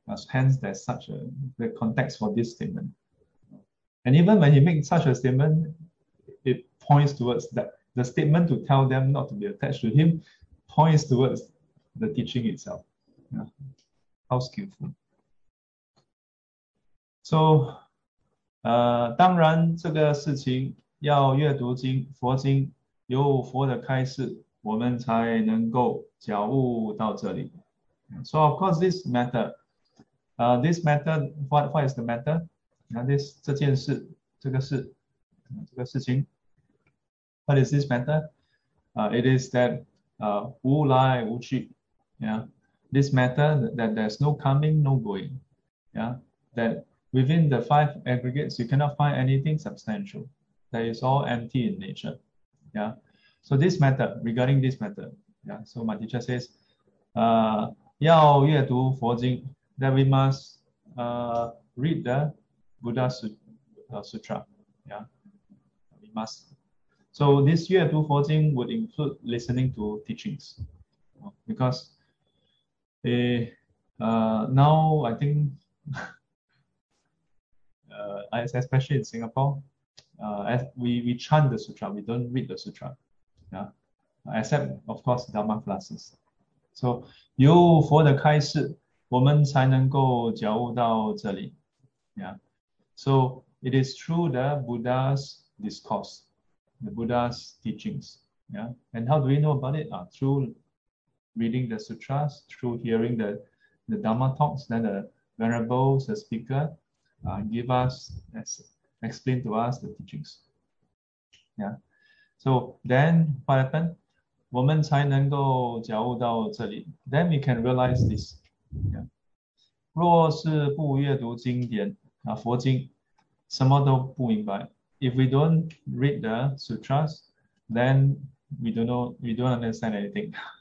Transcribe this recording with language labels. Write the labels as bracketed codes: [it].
[en] Hence, there's such a the context for this statement. And even when he makes such a statement, it points towards that the statement to tell them not to be attached to him points towards the teaching itself. Yeah. How skillful. [zh] So, 当然这个事情要阅读经佛经，有佛的开示，我们才能够觉悟到这里。 [en] So of course this matter, what is the matter? Yeah, this [zh] 这件事，这个事，这个事情。 [en] What is this matter? It is that [zh] wu lai wu qi, [en] yeah, this matter that there's no coming, no going. Yeah, that within the five aggregates, you cannot find anything substantial. That is all empty in nature. Yeah. So this matter, regarding this matter, yeah. So my teacher says, [zh] "要阅读佛经, [en] that we must read the Buddha Sutra. Yeah, we must. So this [zh] 阅读佛经 [en] would include listening to teachings, because now I think, especially in Singapore, as we chant the sutra, we don't read the sutra. Yeah, except of course Dharma classes. [zh] So 由佛的开示，我们才能够觉悟到这里. [en] Yeah, so it is through the Buddha's discourse, the Buddha's teachings. Yeah, and how do we know about it? Through reading the sutras, through hearing the Dharma talks, then the venerables, the speaker, give us, explain to us the teachings. Yeah. So then what happened? [zh] 我们才能够觉悟到这里. [en] Then we can realize this. Yeah. [zh] 若是不阅读经典，佛经，什么都不明白. [en] If we don't read the sutras, then we don't know, we don't understand anything.